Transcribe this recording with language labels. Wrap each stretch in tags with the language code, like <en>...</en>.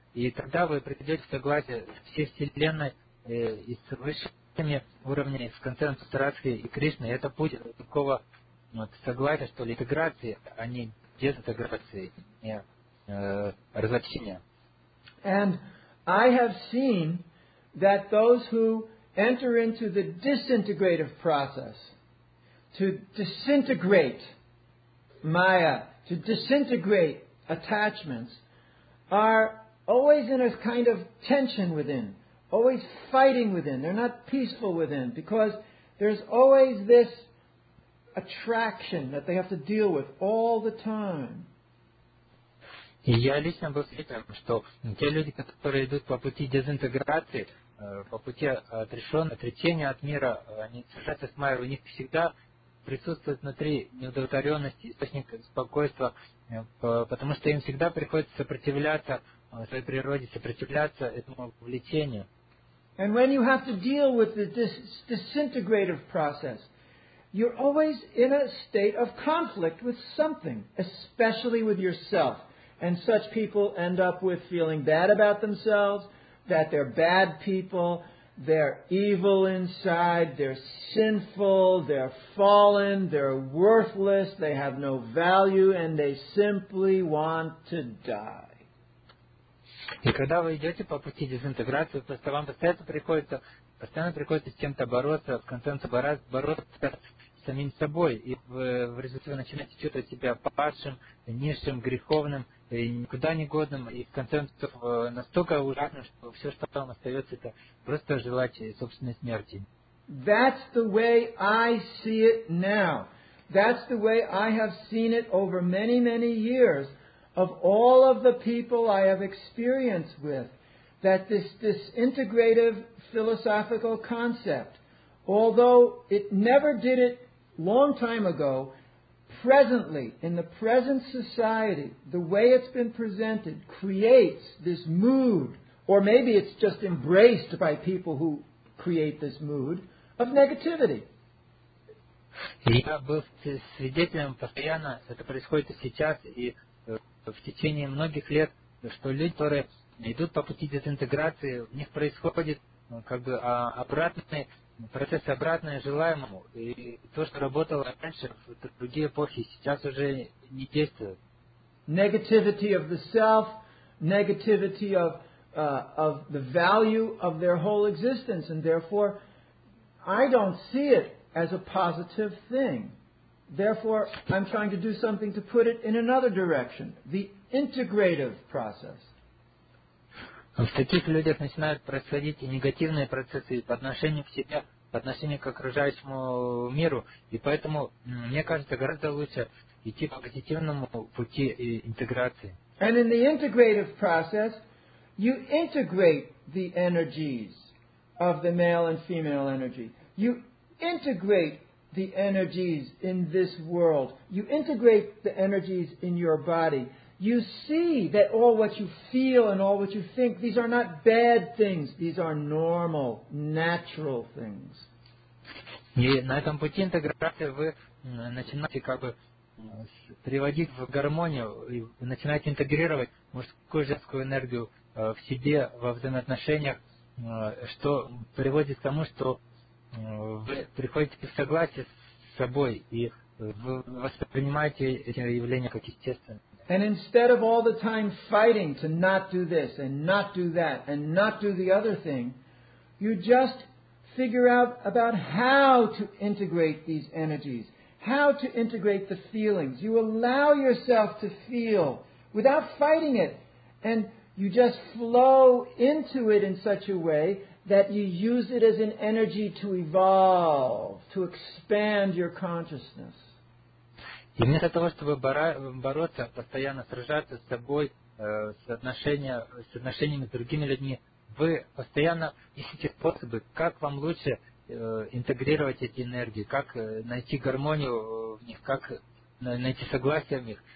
<ru>И тогда вы приведете в согласие всей Вселенной и с высшими уровнями, с консенсусом Радхи и Кришны. И это путь такого согласия, что ли, интеграции, а не дезинтеграции, не разобщения.</ru> <en>And I have seen that those who enter into the disintegrative process, to disintegrate Maya, to disintegrate attachments, are always in a kind of tension within, always fighting within. They're not peaceful within because there's always this attraction that they have to deal with all the time.</en> <ru>И я лично был свидетелем, что те люди, которые идут по пути дезинтеграции, по пути отречения от мира, они сражаются с майей, у них всегда присутствует внутри неудовлетворенность, источник беспокойства, потому что им всегда приходится сопротивляться своей природе, сопротивляться этому влечению.</ru> <en>And when you have to deal with this disintegrative process, you're always in a state of conflict with something, especially with yourself. And such people end up with feeling bad about themselves, that they're bad people, they're evil inside, they're sinful, they're fallen, they're worthless, they have no value, and they simply want to die.</en> <ru>И когда вы идете по пути дезинтеграции, то вам постоянно приходится с чем-то бороться, в конце концов бороться с самим собой, и в результате вы начинаете чувствовать себя падшим, низшим, греховным, и никуда не годным, и в конце концов настолько ужасно, что все, что там остается, это просто желать собственной смерти.</ru> <en>That's the way I see it now. That's the way I have seen it over many, many years of all of the people I have experienced with, that this integrative philosophical concept, although it never did it long time ago, presently, in the present society, the way it's been presented creates this mood, or maybe it's just embraced by people who create this mood, of negativity.</en> <ru>Я был свидетелем постоянно, это происходит и сейчас, и в течение многих лет, что люди, которые идут по пути дезинтеграции, у них происходит как бы обратный процесс, обратное желаемому, и то, что работало раньше, в другие эпохи, сейчас уже не действует.</ru> <en>Negativity of the self, negativity of the value of their whole existence, and therefore, I don't see it as a positive thing. Therefore, I'm trying to do something to put it in another direction, the integrative process.</en> <ru>В таких людях начинают происходить и негативные процессы по отношению к себе, по отношению к окружающему миру. И поэтому, мне кажется, гораздо лучше идти по позитивному пути интеграции.</ru> <en>And in the integrative process, you integrate the energies of the male and female energy. You integrate the energies in this world. You integrate the energies in your body. You see that all what you feel and all what you think, these are not bad things. These are normal, natural things.</en> <ru>И на этом пути интеграции вы начинаете как бы приводить в гармонию, и начинаете интегрировать мужскую и женскую энергию в себе, во взаимоотношениях, что приводит к тому, что вы приходите в согласие с собой и вы воспринимаете эти явления как естественные.</ru> <en>And instead of all the time fighting to not do this and not do that and not do the other thing, you just figure out about how to integrate these energies, how to integrate the feelings. You allow yourself to feel without fighting it, and you just flow into it in such a way that you use it as an energy to evolve, to expand your consciousness.</en> <ru>И вместо того, чтобы бороться, постоянно сражаться с собой, с отношениями с другими людьми, вы постоянно ищете способы, как вам лучше интегрировать эти энергии, как найти гармонию в них, как найти согласие в них.</ru>